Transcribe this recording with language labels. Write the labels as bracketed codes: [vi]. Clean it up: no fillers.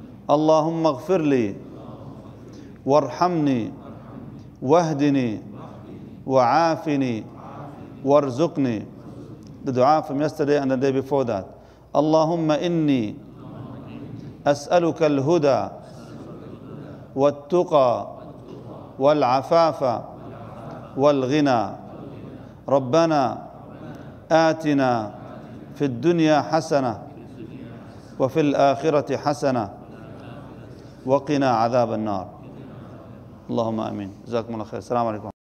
[ar] اللهم اغفر لي وارحمني واهدني وعافني وارزقني. [en] The dua from yesterday and the day before that. [ar] اللهم إني أسألك الهدى والتقى والعفاف والغنى. ربنا آتنا في الدنيا حسنة وفي الآخرة حسنة وقنا عذاب النار. اللهم آمين. جزاكم الله خير. السلام عليكم.